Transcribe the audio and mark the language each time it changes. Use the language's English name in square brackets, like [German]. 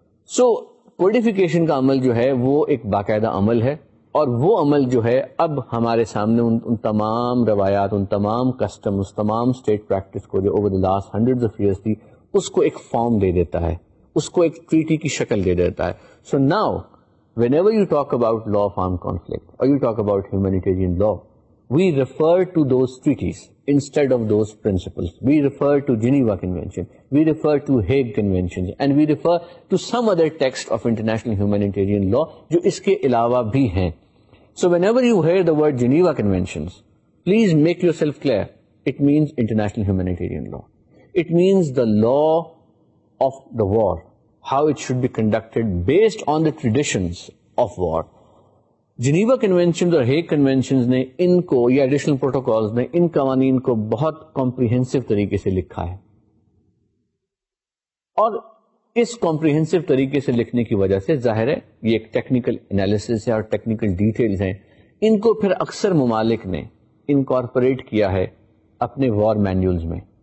[Urdu] سو codification کا عمل جو ہے وہ ایک باقاعدہ عمل ہے، اور وہ عمل جو ہے اب ہمارے سامنے ان تمام روایات، ان تمام کسٹم، اس تمام اسٹیٹ پریکٹس کو جو over the last hundred of years تھی، اس کو ایک فارم دے دیتا ہے، اس کو ایک ٹریٹی کی شکل دے دیتا ہے. [English] So now whenever you talk about law of armed conflict or you talk about humanitarian law, we refer to those treaties instead of those principles. We refer to Geneva Convention, we refer to Hague Convention, and we refer to some other text of international humanitarian law [Urdu] جو اس کے علاوہ بھی ہیں. [English] So whenever you hear the word Geneva Conventions, please make yourself clear, it means international humanitarian law. It means the law of the war, how it should be conducted based on the traditions of war. [Urdu] Geneva convention اور Hague convention نے ان کو، یا additional protocols نے ان قوانین کو بہت comprehensive طریقے سے لکھا ہے، اور اس کمپریہنسو طریقے سے لکھنے کی وجہ سے ظاہر ہے یہ ایک ٹیکنیکل انالیسس ہے اور ٹیکنیکل ڈیٹیلز ہیں، ان کو پھر اکثر ممالک نے انکارپوریٹ کیا ہے اپنے وار مینیولز میں.